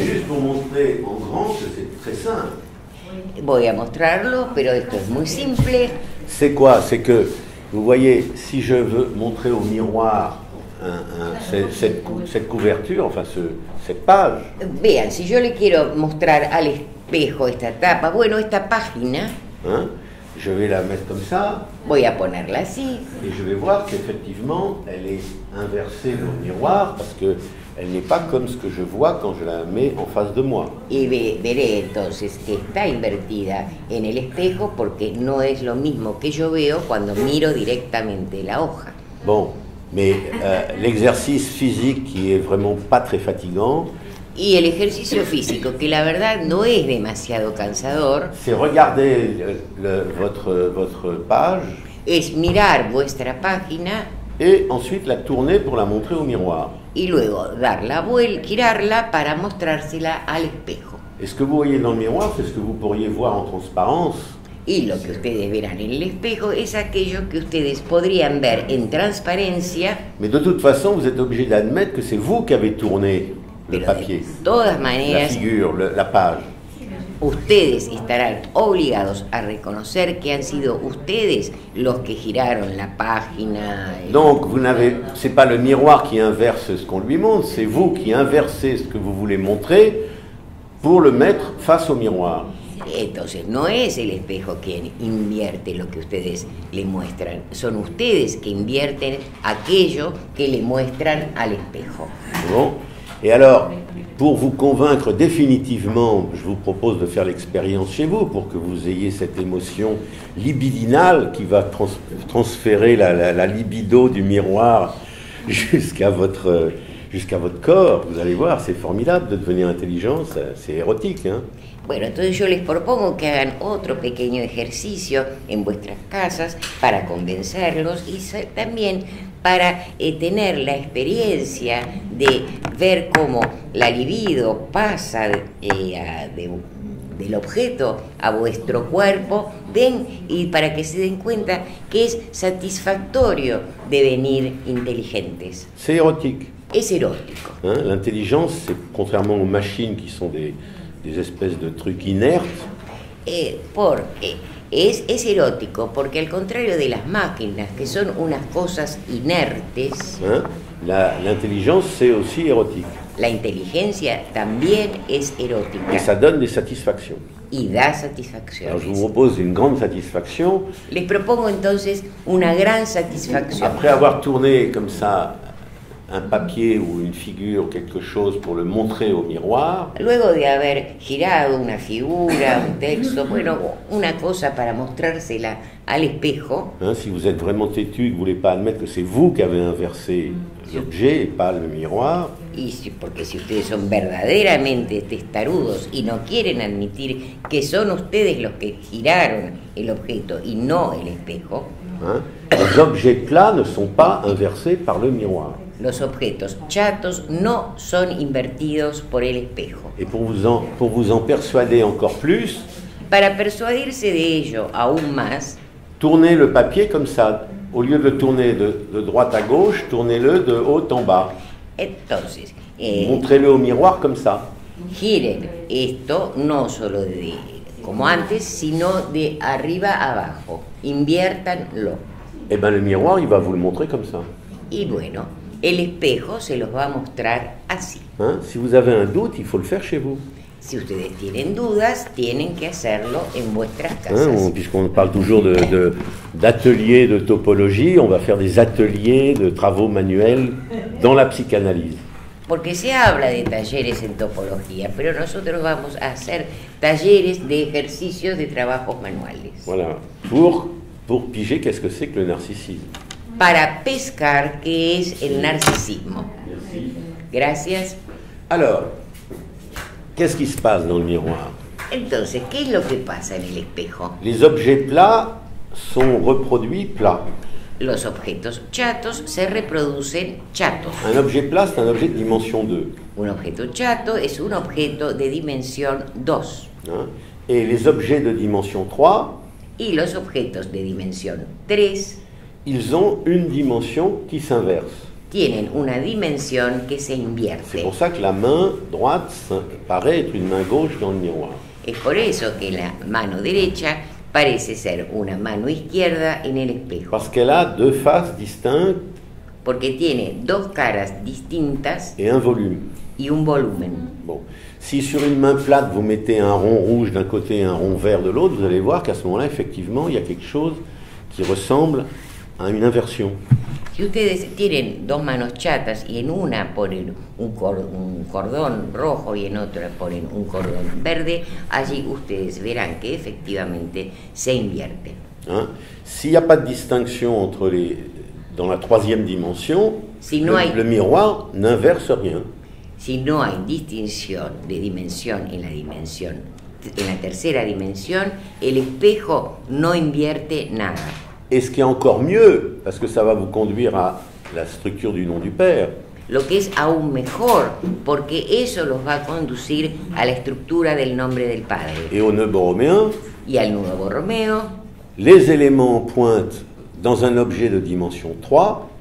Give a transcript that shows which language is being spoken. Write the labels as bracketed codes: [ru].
[fr] Juste pour montrer en grand que c'est très simple. [es] Voy a mostrarlo, pero esto es muy simple. [fr] C'est quoi? C'est que, vous voyez, si je veux montrer au miroir cette couverture, enfin cette page. [es] Vean, si yo le quiero mostrar al espejo esta tapa, bueno, esta página. [fr] Hein? Je vais la mettre comme ça. [es] Voy a ponerla así. [fr] Et je vais voir qu'effectivement, elle est inversée au miroir, parce que elle n'est pas comme ce que je vois quand je la mets en face de moi. [es] Et veré entonces que está invertida en el espejo porque no es lo mismo que yo veo cuando miro directamente la hoja. [fr] Bon, mais l'exercice physique qui est vraiment pas très fatigant. [es] Y el ejercicio físico que la verdad no es demasiado cansador. [fr] C'est regarder votre page. [es] Es mirar vuestra página. [fr] Et ensuite la tourner pour la montrer au miroir. [es] Y luego dar la vuelta, girarla para mostrársela al espejo. [fr] Est-ce que vous voyez dans le miroir, c'est ce que vous pourriez voir en transparence. [es] Y lo que ustedes verán en el espejo es aquello que ustedes podrían ver en transparencia. [fr] Mais de toute façon, vous êtes obligé d'admettre que c'est vous qui avez tourné le papier. [es] De todas maneras, [fr] la figure, la page. [es] Ustedes estarán obligados a reconocer que han sido ustedes los que giraron la página. [fr] Donc, vous n'avez, c'est pas le miroir qui inverse ce qu'on lui montre, c'est vous qui inversez ce que vous voulez montrer pour le mettre face au miroir. [es] Entonces, no es el espejo quien invierte lo que ustedes le muestran, son ustedes que invierten aquello que le muestran al espejo. [fr] Bon. Et alors, pour vous convaincre définitivement, je vous propose de faire l'expérience chez vous pour que vous ayez cette émotion libidinale qui va transférer la libido du miroir jusqu'à votre corps. Vous allez voir, c'est formidable de devenir intelligent, c'est érotique, hein. [es] Bueno, entonces yo les propongo que hagan otro pequeño ejercicio en vuestras casas para convencerlos y también para tener la experiencia de ver cómo la libido pasa del objeto a vuestro cuerpo, ven, y para que se den cuenta que es satisfactorio devenir inteligentes. [fr] C'est érotique. [es] Es erótico. [fr] Hein? L'intelligence, c'est contrairement aux machines qui sont des espèces de trucs inertes. [es] Es erótico, porque al contrario de las máquinas, que son unas cosas inertes... [fr] Hein? L'intelligence, c'est aussi érotique. [es] La inteligencia también es erótica. [fr] Et ça donne des satisfactions. [es] Y da satisfacciones. [fr] Alors, je vous propose une grande satisfaction. [es] Les propongo entonces una gran satisfacción. [fr] Après avoir tourné comme ça... un papier ou une figure, quelque chose pour le montrer au miroir. [es] Luego de haber girado una figura, un texto, bueno, una cosa para mostrársela al espejo. [fr] Hein, si vous êtes vraiment têtu et que vous voulez pas admettre que c'est vous qui avez inversé l'objet et pas le miroir. [es] Y si, porque si ustedes son verdaderamente testarudos y no quieren admitir que son ustedes los que giraron el objeto y no el espejo. [fr] Hein, les objets plats ne sont pas inversés par le miroir. [es] Los objetos chatos no son invertidos por el espejo. [fr] Et pour vous en persuader encore plus. [es] Para persuadirse de ello aún más. [fr] Tournez le papier comme ça. Au lieu de tourner de droite à gauche, tournez-le de haut en bas. [es] Entonces, [fr] montrez-le au miroir comme ça. [es] Giren esto no solo de como antes, sino de arriba abajo. Inviértanlo. [fr] Et ben le miroir, il va vous le montrer comme ça. [es] Y bueno, el espejo se los va a mostrar así. [fr] Hein? Si vous avez un doute, il faut le faire chez vous. [es] Si ustedes tienen dudas, tienen que hacerlo en vuestras casas. [fr] Hein? Puisqu'on parle toujours d'ateliers de topologie, on va faire des ateliers de travaux manuels dans la psychanalyse. [es] Porque se habla de talleres en topología, pero nosotros vamos a hacer talleres de ejercicios de trabajos manuales. [fr] Voilà. Pour piger, qu'est-ce que c'est que le narcissisme? [es] Para pescar qué es el narcisismo. Gracias. [fr] Alors, qu'est-ce qui se passe dans le miroir? [es] Entonces, ¿qué es lo que pasa en el espejo? [fr] Les objets plats sont reproduits plats. [es] Los objetos chatos se reproducen chatos. [fr] Un objet plat, c'est un objet de dimension 2. [es] Un objeto chato es un objeto de dimensión 2. [fr] Hein? Et les objets de dimension 3? [es] Y los objetos de dimensión 3? [fr] Ils ont une dimension qui s'inverse. [es] Tienen una dimensión que se invierte. [fr] C'est pour ça que la main droite paraît être une main gauche dans le miroir. [es] Es por eso que la mano derecha parece ser una mano izquierda en el espejo. [fr] Parce qu'elle a deux faces distinctes. [es] Porque tiene dos caras distintas. [fr] Et un volume. [es] Y un volumen. [fr] Bon. Si sur une main plate vous mettez un rond rouge d'un côté et un rond vert de l'autre, vous allez voir qu'à ce moment-là, effectivement, il y a quelque chose qui ressemble à une inversion. [es] Si ustedes tienen dos manos chatas y en una ponen un cordón rojo y en otra ponen un cordón verde, allí ustedes verán que efectivamente se invierte. [fr] Hein? S'il n'y a pas de distinction entre dans la troisième dimension, [es] si no hay, [fr] le miroir n'inverse rien. [es] Si no hay distinción de dimensión en la dimensión, en la tercera dimensión, el espejo no invierte nada. [fr] Et ce qui est encore mieux, parce que ça va vous conduire à la structure du nom du Père. [es] Lo que es aún mejor, porque eso los va a conducir a la estructura del nombre del Padre. [fr] Et au nuevo Romeo. [es] Y al nuevo Romeo. [fr] Les éléments en pointe dans un objet de dimension 3.